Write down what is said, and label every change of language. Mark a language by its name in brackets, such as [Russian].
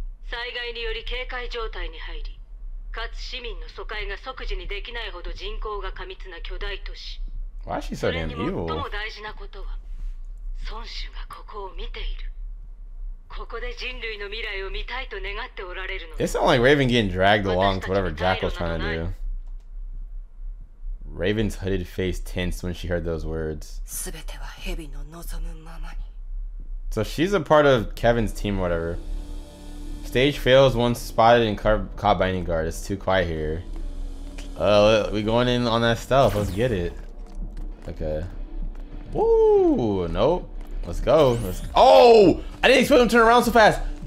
[Japanese] 災害により警戒状態に入り、かつ市民の疎開が即時にできないほど人口が過密な巨大都市。 [English] Why is she so damn evil? [Japanese] それに最も大事なことは、孫主がここを見ている。ここで人類の未来を見たいと願っておられるの。 [English] It's not like Raven getting dragged along to whatever Jackal's trying to do. Raven's hooded face tensed when she heard those words. [Japanese] すべては蛇の望むままに。 [English] So she's a part of Kevin's team or whatever. Stage fails once spotted and caught by any guard. It's too quiet here. We going in on that stealth. Let's get it. Okay. Ooh, nope. Let's go. Let's go. Oh, I didn't expect him to turn around so fast.